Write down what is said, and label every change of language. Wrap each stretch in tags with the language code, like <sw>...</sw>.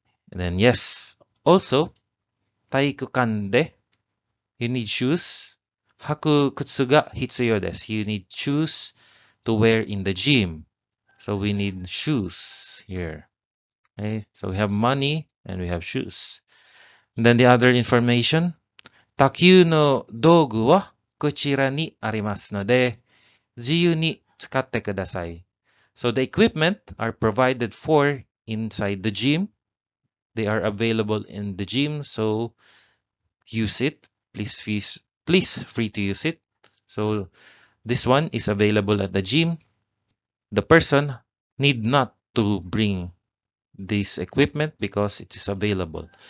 <en>And then yes, also,</en> <ja>taikukan de,</ja> <en>you need shoes.</en> <ja>Haku kutsu ga hitsuyo desu.</ja> <en>You need shoes to wear in the gym. So we need shoes here. Okay, so we have money and we have shoes. And then the other information.</en> <ja>卓球の道具はこちらにありますので、自由に使ってください。</ja> <en>So the equipment are provided for inside the gym. They are available in the gym. So use it. Please free to use it. So this one is available at the gym. The person need not to bring this equipment because it is available.</en>